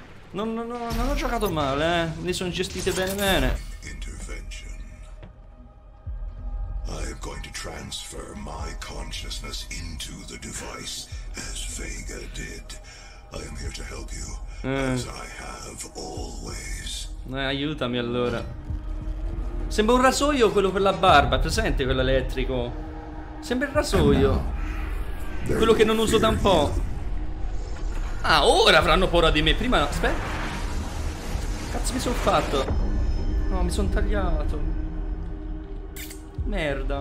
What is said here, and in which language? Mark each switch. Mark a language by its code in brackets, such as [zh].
[it] Non ho giocato male, eh. Mi sono gestite bene bene. [en] Intervention. I am going to transfer my consciousness into the device as Vega did. I am here to help you as I have always. [it] Aiutami allora. Sembra un rasoio quello per la barba, presente quello elettrico? Sembra il rasoio. Quello che non uso da un po'. Ah, ora avranno paura di me. Prima no. Aspetta. Cazzo mi sono fatto. No, mi sono tagliato. Merda.